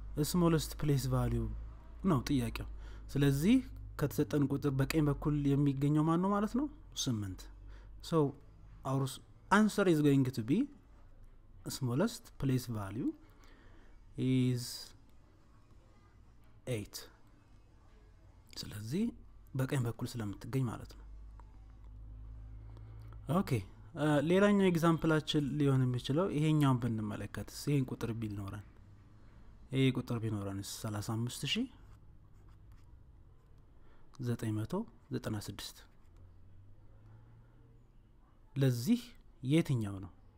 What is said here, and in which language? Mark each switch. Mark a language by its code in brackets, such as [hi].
[am] ስሞለስት ፕሌስ ቫልዩ ነው ጥያቄው። ስለዚህ ከተሰጠን ቁጥር በቀኝ በኩል የሚገኘው ማን ነው ማለት ነው? [en] 8 so our answer is going to be smallest place value is 8. [am] ስለዚህ በቀኝ በኩል ስለምትገኝ ማለት ነው። ኦኬ ሌላኛው ኤግዛምፕላችን ሊሆን የሚችለው ይሄኛው ብንመለከት ይሄን ቁጥር ቢኖርን ይሄ ቁጥር ቢኖርን 35996 ለዚህ የትኛው ነው?